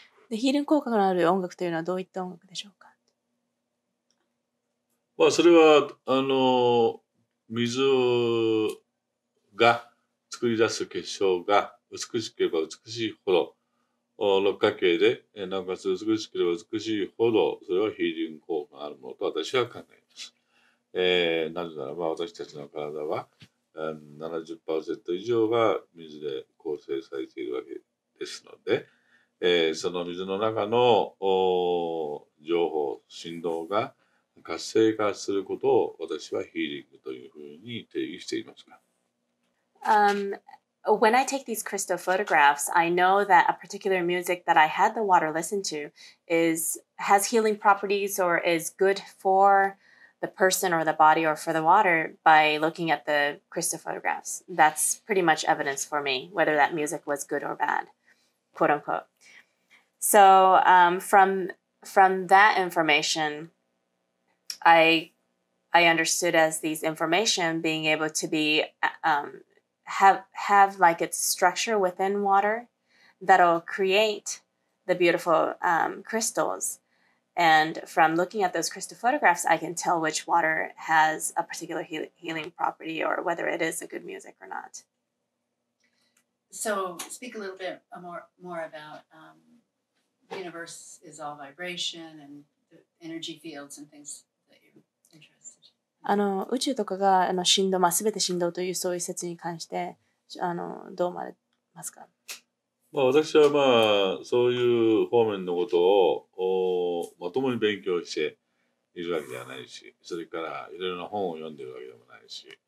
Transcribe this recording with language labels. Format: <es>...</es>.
<en>The healing</en> <ja>効果のある音楽というのはどういった音楽でしょうか？まあ、それはあの水が作り出す結晶が美しければ美しいほど六角形で、なおかつ美しければ美しいほどそれはヒーリング効果があるものと私は考えます。なぜならば私たちの体は 70% 以上が水で構成されているわけですので、その水の中の情報振動が活性化することを私はヒーリングというふうに定義していますが、</ja> <en>when I take these crystal photographs, I know that a particular music that I had the water listen to is has healing properties or is good for the person or the body or for the water by looking at the crystal photographs. That's pretty much evidence for me, whether that music was good or bad, quote unquote. So from that information, I understood as these information being able to be have like its structure within water that'll create the beautiful crystals. And from looking at those crystal photographs, I can tell which water has a particular healing property or whether it is a good music or not. So speak a little bit more about the universe is all vibration and the energy fields and things that you're interested in.</en> <ja>あの、宇宙とかが、あの、振動、まあ、全て振動というそういう説に関して、あの、どう思われますか？まあ、私はまあそういう方面のことをまともに勉強しているわけではないし、それからいろいろな本を読んでいるわけでもないし、</ja>